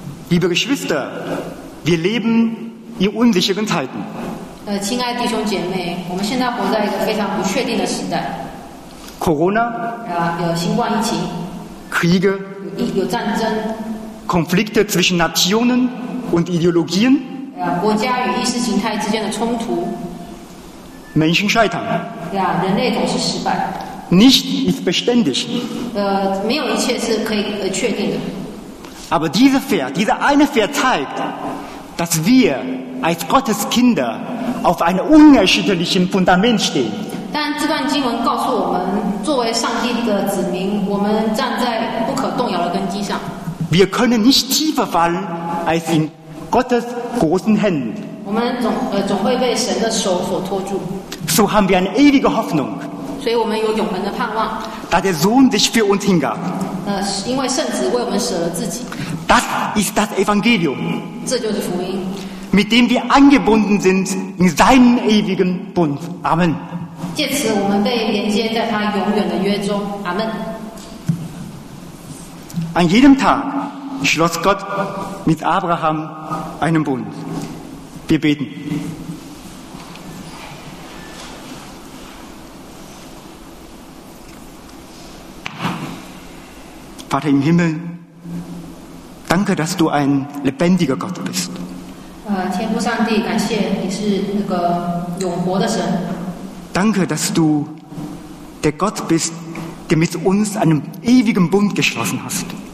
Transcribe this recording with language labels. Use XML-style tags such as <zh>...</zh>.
<de>Liebe Geschwister, wir leben in unsicheren Zeiten.</de> <zh>亲爱的弟兄姐妹，我们现在活在一个非常不确定的时代。</zh> <de>Corona.</de> <zh>有新冠疫情。</zh> <de>Kriege,</de> <zh>有战争,</zh> <de>Konflikte zwischen Nationen und Ideologien,</de> <zh>国家与意识形态之间的冲突,</zh> <de>Menschen scheitern,</de> <zh>人类总是失败,</zh> <de>Nichts ist beständig,</de> <zh>没有一切是可以确定的,</zh> <de>Aber dieser eine Vers zeigt, dass wir als Gottes Kinder auf einem unerschütterlichen Fundament stehen.</de> <zh>但这段经文告诉我们，作为上帝的子民，我们站在不可动摇的根基上。</zh> <de>Wir können nicht tiefer fallen als in Gottes großen Händen.</de> <zh>我们总会被神的手所托住。</zh> <de>So haben wir eine ewige Hoffnung.</de> <zh>所以我们有永恒的盼望。</zh> <de>Da der Sohn sich für uns hingab.</de> <zh>因为圣子为我们舍了自己。</zh> <de>Das ist das Evangelium.</de> <zh>这就是福音。</zh> <de>Mit dem wir angebunden sind in seinen ewigen Bund. Amen.</de> <zh>借此，我们被连接在他永远的约中。阿门。</zh> <de>An jedem Tag schloss Gott mit Abraham einen Bund. Wir beten. Vater im Himmel, danke, dass du ein lebendiger Gott bist.</de> <zh>天父上帝，感谢你是那个永活的神。</zh> <de>Danke, dass du der Gott bist, der mit uns einen ewigen Bund geschlossen hast.</de>